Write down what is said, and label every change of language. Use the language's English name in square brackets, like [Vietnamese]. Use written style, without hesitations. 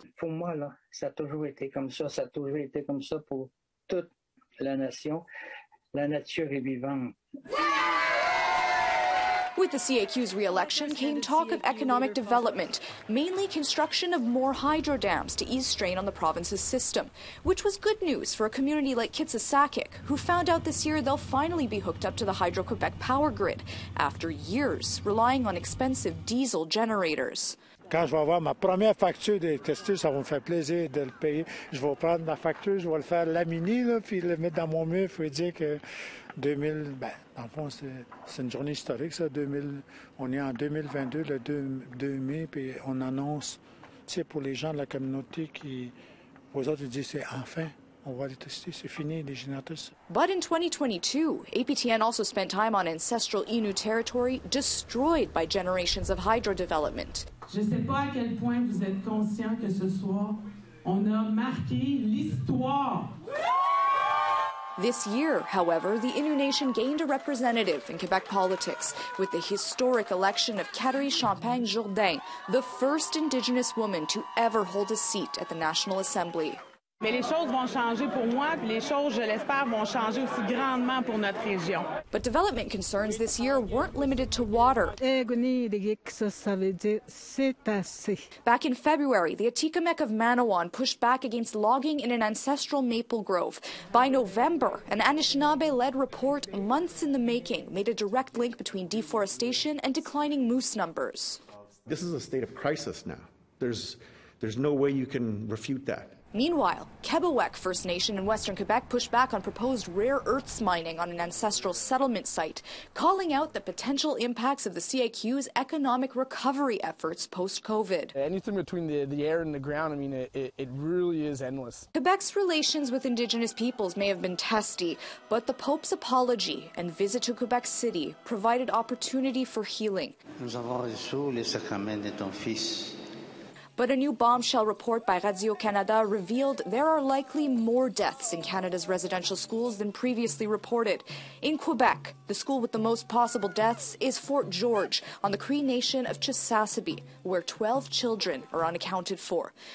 [French] Pour moi, là, ça a toujours été comme ça. Ça a toujours été comme ça pour toute la nation. La nature est vivante. [English] With the CAQ's re-election came talk of economic development, mainly construction of more hydro dams to ease strain on the province's system, which was good news for a community like Kitsisakik, who found out this year they'll finally be hooked up to the Hydro-Quebec power grid after years relying on expensive diesel generators. [French] Quand je vais avoir ma première facture d'électricité, ça va me faire plaisir de le payer. Je vais prendre ma facture, je vais le faire laminer, là, puis le mettre dans mon mur. Il faut dire que 2000, ben, dans le fond, c'est une journée historique, ça. 2000, on est en 2022, le 2 mai, puis on annonce, tu sais, pour les gens de la communauté qui, aux autres, ils disent, c'est enfin. [English] But in 2022, APTN also spent time on ancestral Innu territory destroyed by generations of hydro development. [French] Je ne sais pas à quel point vous êtes conscient que ce soir, on a marqué l'histoire. [English] This year, however, the Innu Nation gained a representative in Quebec politics with the historic election of Catherine Champagne Jourdain, the first Indigenous woman to ever hold a seat at the National Assembly. [French] Mais les choses vont changer pour moi, puis les choses, je l'espère, vont changer aussi grandement pour notre région. [English] But development concerns this year weren't limited to water. Back in February, the Atikamekw of Manawan pushed back against logging in an ancestral maple grove. By November, an Anishinaabe-led report, months in the making, made a direct link between deforestation and declining moose numbers. This is a state of crisis now. There's no way you can refute that. Meanwhile, Kebewek First Nation in Western Quebec pushed back on proposed rare earths mining on an ancestral settlement site, calling out the potential impacts of the CAQ's economic recovery efforts post-COVID. Anything between the air and the ground, I mean, it really is endless. Quebec's relations with Indigenous peoples may have been testy, but the Pope's apology and visit to Quebec City provided opportunity for healing. [French] Nous avons reçu les sacrements de ton fils. [English] But a new bombshell report by Radio-Canada revealed there are likely more deaths in Canada's residential schools than previously reported. In Quebec, the school with the most possible deaths is Fort George on the Cree Nation of Chisasibi, where 12 children are unaccounted for.